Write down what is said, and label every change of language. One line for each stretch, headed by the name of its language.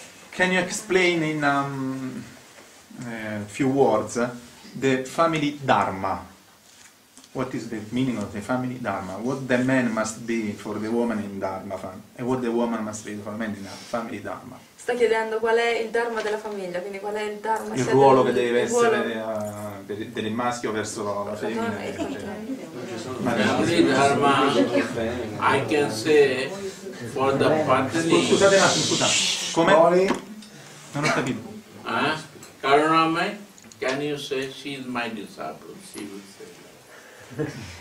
English: Can you explain in few words the family dharma? What is the meaning of the family dharma? What the man must be for the woman in dharma family, and what the woman must be for the man in family dharma?
Italian: Sta chiedendo qual è il dharma della famiglia, quindi qual è il dharma? Il ruolo che deve essere del maschio verso la femmina.
English: Family dharma, I can say for the family.
Italian: Scusate un attimo, come? Non ho capito.
English: Ah, Karuname, can you say she is my disciple? She will say.